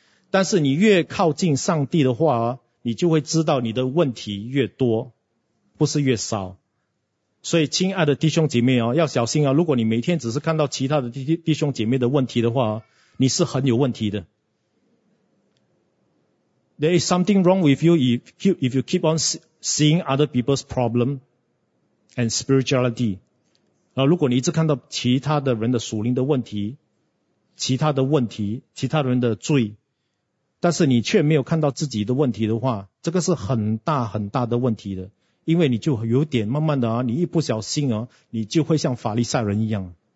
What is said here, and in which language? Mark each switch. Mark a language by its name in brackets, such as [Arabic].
[Chinese] 但是你越靠近上帝的话，你就会知道你的问题越多，不是越少。所以亲爱的弟兄姐妹哦，要小心啊，如果你每天只是看到其他的弟兄姐妹的问题的话，你是很有问题的。 [English] There is something wrong with you if you keep on seeing other people's problem and spirituality. [Chinese] 啊，如果你一直看到其他的人的属灵的问题，其他的问题，其他人的罪，但是你却没有看到自己的问题的话，这个是很大很大的问题的。因为你就有点慢慢的啊，你一不小心啊，你就会像法利赛人一样。